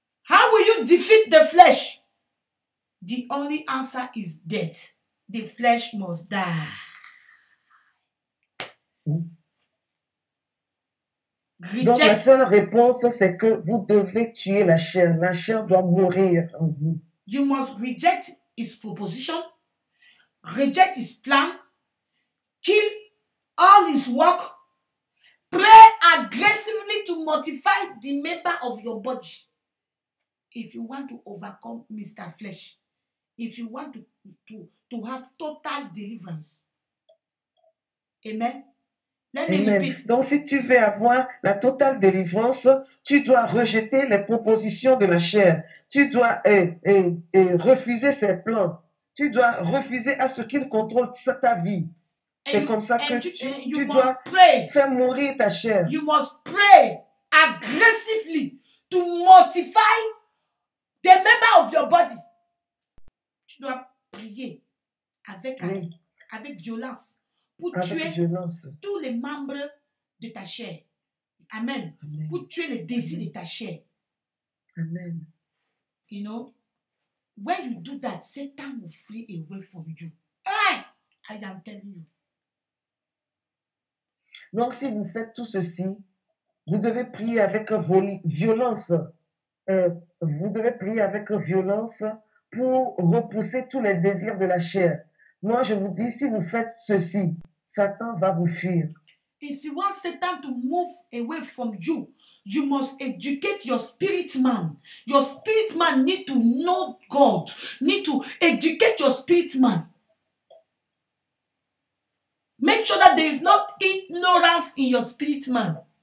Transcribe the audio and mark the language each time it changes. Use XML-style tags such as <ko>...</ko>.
<en>How will you defeat the flesh? The only answer is death. The flesh must die.</en> <fr>Donc, la seule réponse, c'est que vous devez tuer la chair. La chair doit mourir en vous.</fr> <en>You must reject his proposition, reject his plan, kill all his work, pray aggressively to mortify the member of your body. If you want to overcome Mr. Flesh, if you want to have total deliverance. Amen.</en> <fr>Donc, si tu veux avoir la totale délivrance, tu dois rejeter les propositions de la chair. Tu dois refuser ses plans. Tu dois refuser à ce qu'il contrôle ta vie. C'est comme ça que tu dois faire mourir ta chair. You must pray aggressively to mortify the member of your body. Tu dois prier avec violence. Pour avec tuer violence. Tous les membres de ta chair. Amen. Amen. Pour tuer les désirs de ta chair. Amen.</fr> <en>You know, when you do that, Satan will flee away from you. Hey, I am telling you.</en> <fr>Donc, si vous faites tout ceci, vous devez prier avec violence. Vous devez prier avec violence pour repousser tous les désirs de la chair. Moi, je vous dis, si vous faites ceci, Satan va vous fuir.</fr> <en>If you want Satan to move away from you, you must educate your spirit man. Your spirit man need to know God. Need to educate your spirit man. Make sure that there is no ignorance in your spirit man.</en>